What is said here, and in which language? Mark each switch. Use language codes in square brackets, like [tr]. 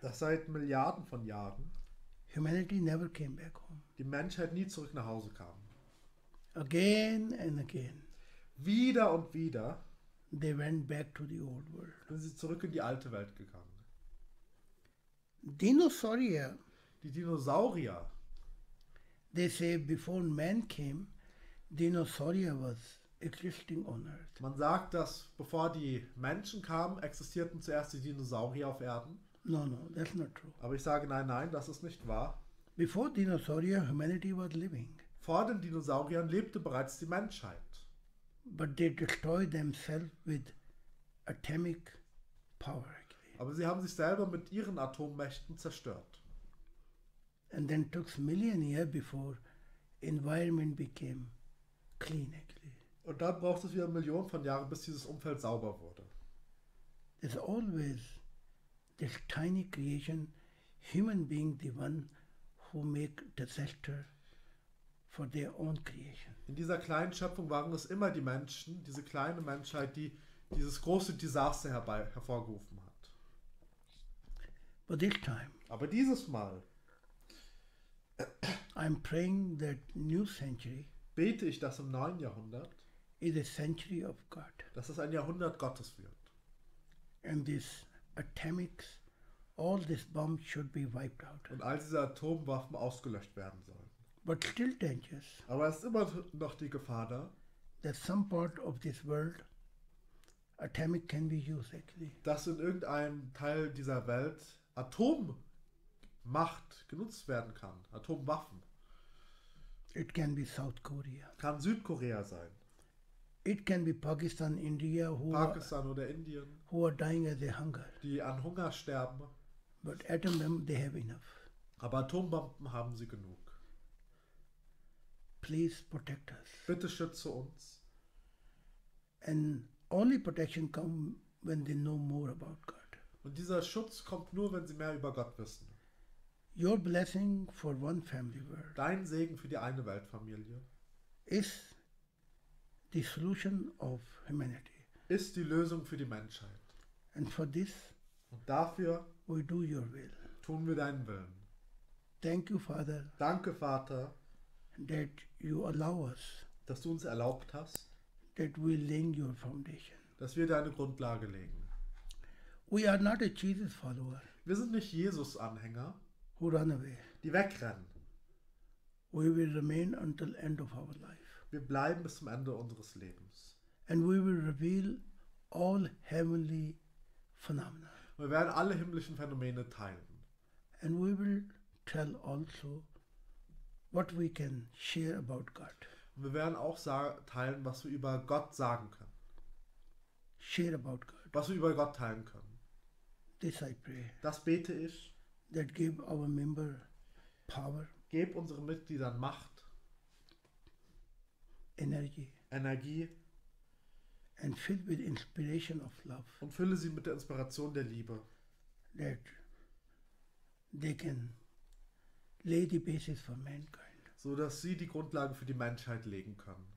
[de] dass seit Milliarden von Jahren, [en] humanity never came back home. [de] Die Menschheit nie zurück nach Hause kam. [en] Again and again. [de] Wieder und wieder. [en] They went back to the old world. [de] Sind sie zurück in die alte Welt gegangen. Dinosaurier. Die Dinosaurier. [en] They say before man came, dinosaurier was existing on earth. [de] Man sagt, dass bevor die Menschen kamen, existierten zuerst die Dinosaurier auf Erden. [en] No, no, that's not true. [de] Aber ich sage, nein, nein, das ist nicht wahr. [en] Before dinosaurier, humanity was living. [de] Vor den Dinosauriern lebte bereits die Menschheit. [en] But they destroy themselves with atomic power. [de] Aber sie haben sich selber mit ihren Atommächten zerstört. [en] And then took million years before environment became clean actually. [de] Und dann braucht es wieder Millionen von Jahren, bis dieses Umfeld sauber wurde. [en] There's always this tiny creation, human being the one who make disaster. For their own creation. [de] In dieser kleinen Schöpfung waren es immer die Menschen, diese kleine Menschheit, die dieses große Desaster hervorgerufen hat. [en] But this time, [de] aber dieses Mal [en] I'm praying that new century [de] bete ich, dass im neuen Jahrhundert [en] is a century of God. [de] Dass es ein Jahrhundert Gottes wird. [en] And this atomic, all this bomb should be wiped out. [de] Und all diese Atomwaffen ausgelöscht werden sollen. [en] But still dangerous. [de] Aber es ist immer noch die Gefahr da, [en] that some part of this world atomic can be used actually. [de] Dass in irgendeinem Teil dieser Welt Atommacht genutzt werden kann, Atomwaffen. [en] It can be South Korea. [de] Kann Südkorea sein. [en] It can be Pakistan, India, who [de] Pakistan oder Indien, [en] who are dying as they hunger. [de] Die an Hunger sterben. [en] But atom bomb they have enough. [de] Aber Atombomben haben sie genug. [en] Please protect us. [de] Bitte schütze uns. [en] And only protection comes when they know more about God. [de] Und dieser Schutz kommt nur, wenn sie mehr über Gott wissen. [en] Your blessing for one family world. [de] Dein Segen für die eine Weltfamilie. [en] Is the solution of humanity. [de] Ist die Lösung für die Menschheit. [en] And for this. [de] Und dafür. [en] We do your will. [de] Tun wir deinen Willen. [en] Thank you, Father. [de] Danke, Vater. [en] That you allow us, [de] dass du uns erlaubt hast, [en] that we lay your foundation, [de] dass wir deine Grundlage legen. [en] We are not a Jesus follower. [de] Wir sind nicht Jesus-Anhänger. [en] Who run away. [de] Die wegrennen. [en] We will remain until end of our life. [de] Wir bleiben bis zum Ende unseres Lebens. [en] And we will reveal all heavenly phenomena. [de] Wir werden alle himmlischen Phänomene teilen. [en] And we will tell also what we can share about God. [de] Und wir werden auch teilen, was wir über Gott sagen können. [en] Share about God. [de] Was wir über Gott teilen können. [en] This I pray. [de] Das bete ich. [en] That give our member power. [de] Geb unseren Mitgliedern Macht. [en] Energie. And fill with inspiration of love. [de] Und fülle sie mit der Inspiration der Liebe. [en] That they can lay the basis for mankind. [de] So dass sie die Grundlage für die Menschheit legen können.